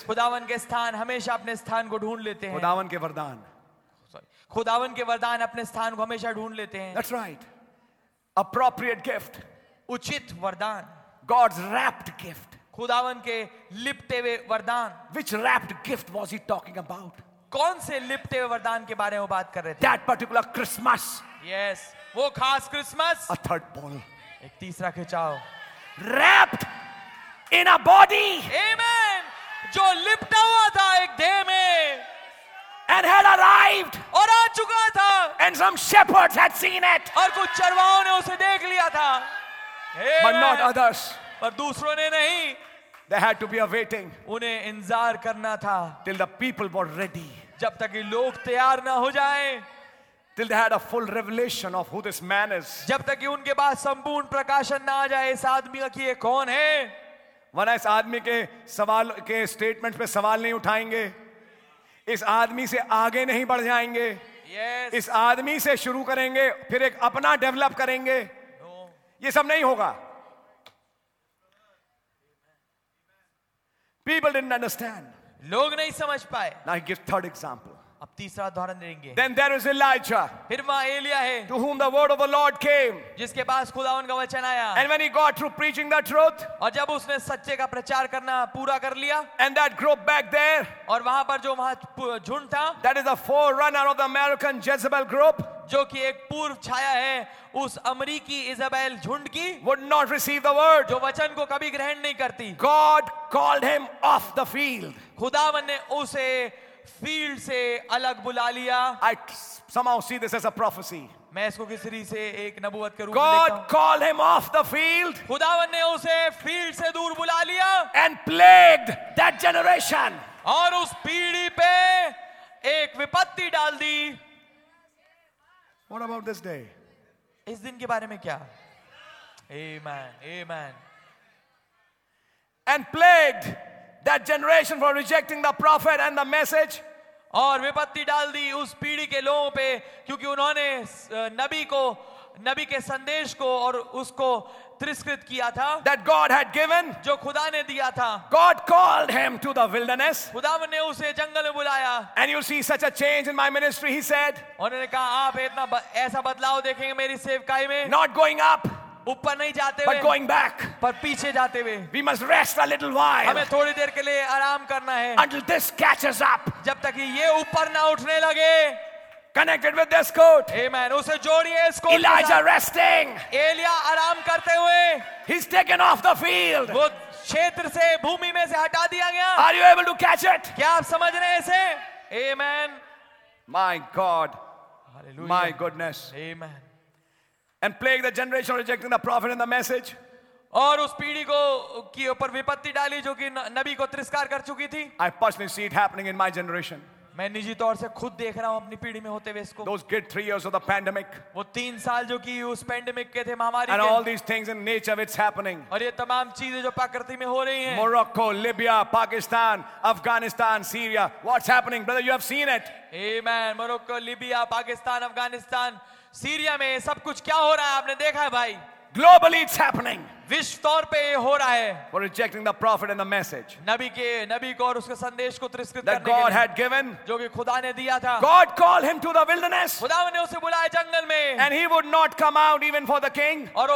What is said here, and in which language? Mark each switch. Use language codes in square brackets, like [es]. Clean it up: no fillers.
[hi] खुदावन के स्थान हमेशा अपने स्थान को ढूंढ लेते हैं. खुदावन के वरदान, खुदावन के वरदान अपने स्थान को हमेशा ढूंढ लेते हैं. [en] That's right. Appropriate gift. [hi] उचित वरदान. [en] God's wrapped gift. [hi] खुदावन के लिपटे हुए वरदान. [en] Which wrapped gift was he talking about? [hi] कौन से लिपटे वरदान के बारे में बात कर रहे थे? [en] That particular Christmas. Yes, [hi] वो खास क्रिसमस. [en] A third ball. [hi] एक तीसरा खिंचाव. [en] Wrapped in a body. Amen. [hi] जो लिपटा हुआ था एक देह में. [en] And had arrived. [hi] और आ चुका था. [en] And some shepherds had seen it. [hi] और कुछ चरवाहों ने उसे देख लिया था. [en] But not others. [hi] पर दूसरों ने नहीं. [en] There had to be a waiting. [hi] उन्हें इंतजार करना था. [en] Till the people were ready. [hi] जब तक ये लोग तैयार ना हो जाएं. [en] Till they had a full revelation of who this man is. [hi] जब तक ये उनके पास संपूर्ण प्रकाशन ना आ जाए इस आदमी का कि ये कौन है. वरना इस आदमी के सवाल के स्टेटमेंट पे सवाल नहीं उठाएंगे. इस आदमी से आगे नहीं बढ़ जाएंगे. [en] Yes. [hi] इस आदमी से शुरू करेंगे फिर एक अपना डेवलप करेंगे. [en] No. [hi] ये सब नहीं होगा. [en] People didn't understand. [hi] लोग नहीं समझ पाए. [en] Now I give third example. [hi] अब तीसरा उदाहरण देंगे. [en] Then there is Elijah. [hi] फिर वहाँ एलिया है. [en] To whom the word of the Lord came. [hi] जिसके पास खुदावन का वचन आया. [en] And when he got through preaching the truth. [hi] और जब उसने सच्चे का प्रचार करना पूरा कर लिया. [en] And that group back there. [hi] और वहाँ पर जो वहाँ झुंड था. [en] That is the forerunner of the American Jezebel group. [hi] जो कि एक पूर्व छाया है उस अमरीकी इजाबेल झुंड की. [en] Would not receive the word. [hi] जो वचन को कभी ग्रहण नहीं करती. [en] God called him off the field. [hi] खुदावन ने उसे फील्ड से अलग बुला लिया. [en] I somehow see this as a prophecy. [hi] मैं इसको किस तरीके से एक नबुवत के रूप में देखता हूं. [en] God called him off the field. [hi] खुदावन ने उसे फील्ड से दूर बुला लिया. [en] And plagued that generation. [hi] और उस पीढ़ी पे एक विपत्ति डाल दी. [en] What about this day? [hi] इस दिन के बारे में क्या? Amen, amen. [en] And plagued that generation for rejecting the prophet and the message. [hi] और विपत्ति डाल दी उस पीढ़ी के लोगों पे क्योंकि उन्होंने नबी को, नबी के संदेश को और उसको तिरस्कृत किया था. [en] That God had given. [hi] जो खुदा ने दिया था. [en] God called him to the wilderness. [hi] खुदावन ने उसे जंगल में बुलाया. [en] And you see such a change in my ministry, he said. [hi] उन्होंने कहा आप इतना ऐसा बदलाव देखेंगे मेरी सेवकाई में. [en] Not going up. [hi] ऊपर नहीं जाते [en] but going back. [hi] पर पीछे जाते हुए. [en] We must rest a little while. [hi] हमें थोड़ी देर के लिए आराम करना है. [en] Until this catches up. [hi] जब तक ये ऊपर ना उठने लगे. [en] Connected with this coat. [hi] Amen. उसे जोड़िए इस [en] Quote. Elijah resting. [hi] एलिया आराम करते हुए. [en] He's taken off the field. [hi] वो क्षेत्र से, भूमि में से हटा दिया गया. [en] Are you able to catch it? [hi] क्या आप समझ रहे हैं इसे? Amen. [en] My God. Hallelujah. My goodness. Amen. And plague the generation rejecting the prophet and the message. [hi] और उस पीढ़ी को की ऊपर विपत्ति डाली जो कि नबी को तिरस्कार कर चुकी थी. [en] I personally see it happening in my generation. [hi] मैं निजी तौर से खुद देख रहा हूं अपनी पीढ़ी में होते हुए इसको. [en] Those good 3 years of the pandemic. [hi] वो 3 साल जो कि उस पैंडेमिक के थे महामारी. [en] And all these things in nature, it's happening. [hi] और ये तमाम चीजें जो प्रकृति में हो रही हैं. [en] Morocco, Libya, Pakistan, Afghanistan, Syria. What's happening, brother? You have seen it. Amen. [hi] Morocco, Libya, Pakistan, Afghanistan, Syria में सब कुछ क्या हो रहा है आपने देखा है भाई. [en] Globally, it's happening. For rejecting the prophet and the message. That God had given. God called him to the wilderness. And he would not come out even for the king.